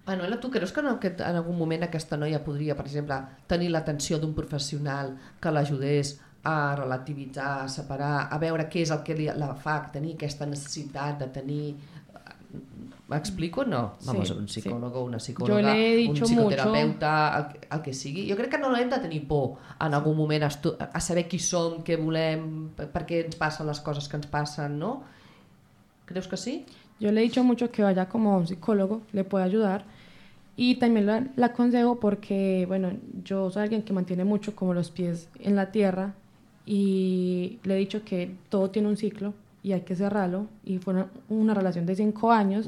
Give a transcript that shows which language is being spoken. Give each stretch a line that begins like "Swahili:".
Spanish: Manuela, ¿tú crees que en algún momento esta noia podría, por ejemplo, tener la atención de un profesional que la ayudés a relativizar, a separar, a ver qué es lo que la fa tener esta necesidad de tener...
Catalan: ¿M'explico?
Spanish: No. Vamos, sí, un psicólogo, sí.
Catalan: Una psicòloga, un psicoterapeuta, el que sigui. Jo crec que no hem de tenir por en algun moment a saber qui som, què volem, per què ens passen les coses que ens passen, no? ¿Creus que sí?
Spanish: Yo le he dicho mucho que vaya como un psicólogo, le puede ayudar. Y también le aconsejo porque, bueno, yo soy alguien que mantiene mucho como los pies en la tierra y le he dicho que todo tiene un ciclo. Y hay que cerrarlo, y fue una relación de 5 años,